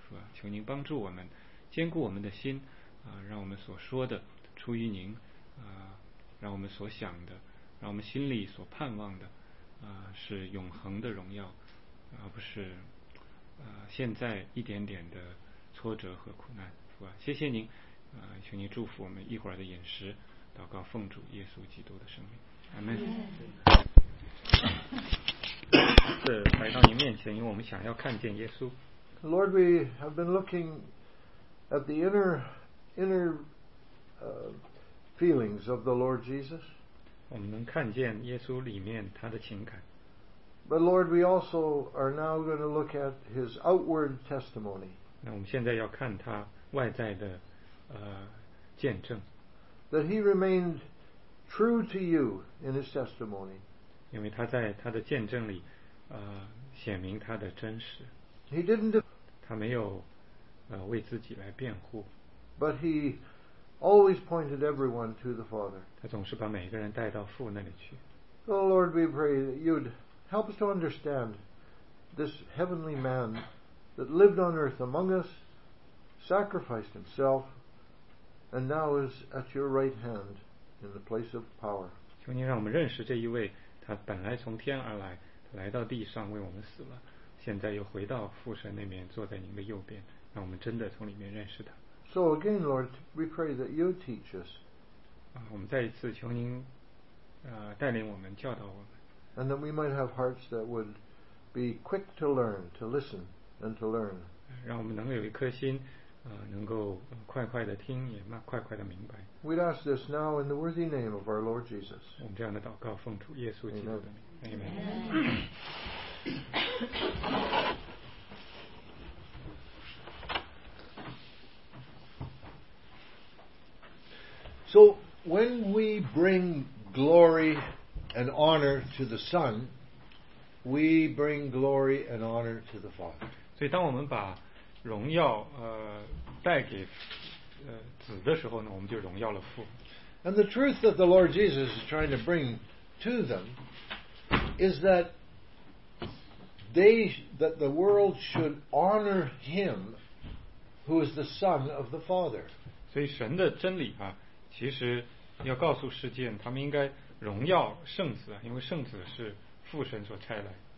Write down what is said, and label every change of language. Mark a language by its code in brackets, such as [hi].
[zh] 父啊，求您帮助我们，坚固我们的心，让我们所说的出于您，让我们所想的，让我们心里所盼望的是永恒的荣耀，而不是现在一点点的挫折和苦难。父啊，谢谢您，请您祝福我们一会儿的饮食。祷告奉主耶稣基督的圣名，阿门。这来到您面前，因为我们想要看见耶稣。 [en] Lord, we have been looking at the inner feelings of the Lord Jesus. [zh] 我们能看见耶稣里面他的情感。 [en] But Lord, we also are now going to look at his outward testimony. [zh] 那我们现在要看他外在的见证。 [en] That he remained true to you in his testimony. [zh] 因为他在他的见证里显明他的真实。 [en] He didn't. [zh] 他没有为自己来辩护。 [en] But he always pointed everyone to the Father. [zh] 他总是把每一个人带到父那里去。 [en] So Lord, we pray that you'd help us to understand this heavenly man that lived on earth among us, sacrificed himself, and now is at your right hand in the place of power. [zh] 求您让我们认识这一位，他本来从天而来，来到地上为我们死了，现在又回到父神那边，坐在您的右边，让我们真的从里面认识他。 [en] So again, Lord, we pray that you teach us. [zh] 我们再一次求您带领我们，教导我们。 [en] And that we might have hearts that would be quick to learn, to listen, and to learn. [zh] 让我们能有一颗心，能够快快的听，也慢快快的明白。 [en] We'd ask this now in the worthy name of our Lord Jesus. [zh] 我们这样的祷告，奉主耶稣基督的名。 [en] Amen. So when we bring glory and honor to the Son, we bring glory and honor to the Father. [zh] 所以当我们把荣耀带给子的时候呢，我们就荣耀了父。 [en] And the truth that the Lord Jesus is trying to bring to them is that that the world should honor Him who is the Son of the Father. [zh] 所以神的真理啊，其实要告诉世界，他们应该荣耀圣子，因为圣子是父神所差来。